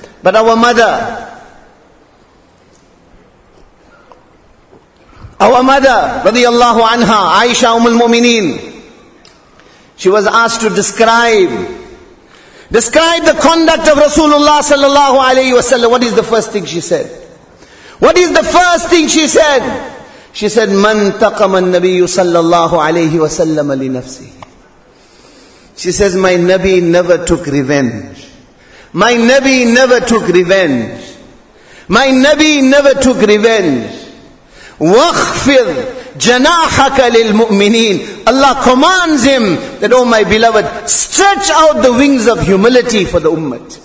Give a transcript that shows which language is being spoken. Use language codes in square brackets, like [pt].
[en] But our mother, radiyallahu anha, Aisha Ummul Mumineen, she was asked to describe the conduct of Rasulullah sallallahu alayhi wa sallam. What is the first thing she said? What is the first thing she said? She said, [ar] مَنْ تَقَمَ النَّبِيُّ صَلَّى اللَّهُ عَلَيْهِ وَسَلَّمَ لِنَفْسِهِ. [en] She says, my Nabi never took revenge. My Nabi never took revenge. My Nabi never took revenge. [ar] وَخْفِرْ جَنَاحَكَ لِلْمُؤْمِنِينَ. [en] Allah commands him that, oh my beloved, stretch out the wings of humility for the ummah.